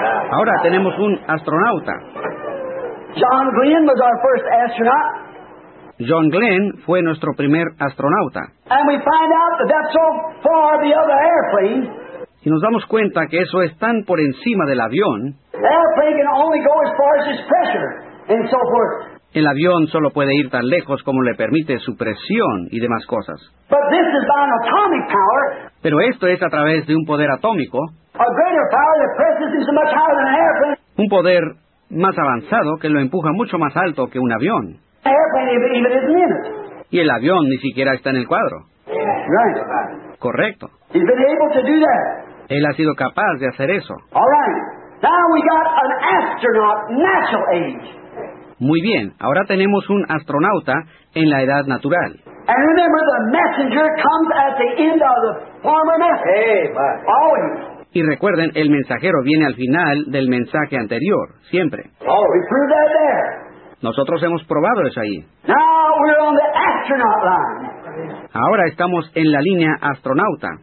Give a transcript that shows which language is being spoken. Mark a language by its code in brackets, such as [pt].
[es] Ahora tenemos un astronauta. [en] John Glenn was our first astronaut. [es] John Glenn fue nuestro primer astronauta. [en] And we find out that that's so far the other airplane. [es] Y nos damos cuenta que eso es tan por encima del avión. [en] The airplane can only go as far as its pressure and so forth. [es] El avión solo puede ir tan lejos como le permite su presión y demás cosas. [en] But this is by an atomic power. [es] Pero esto es a través de un poder atómico. [en] A greater power that presses is much higher than an airplane. [es] Un poder más avanzado que lo empuja mucho más alto que un avión. [en] The airplane even isn't in it. [es] Y el avión ni siquiera está en el cuadro. [en] Right. [es] Correcto. [en] He's been able to do that. [es] Él ha sido capaz de hacer eso. [en] All right. Now we got an astronaut natural age. [es] Muy bien, ahora tenemos un astronauta en la edad natural. [en] And remember, the messenger comes at the end of the former message. Hey, always. [es] Y recuerden, el mensajero viene al final del mensaje anterior, siempre. [en] Oh, we proved that there. [es] Nosotros hemos probado eso ahí. [en] Now we're on the astronaut line. [es] Ahora estamos en la línea astronauta.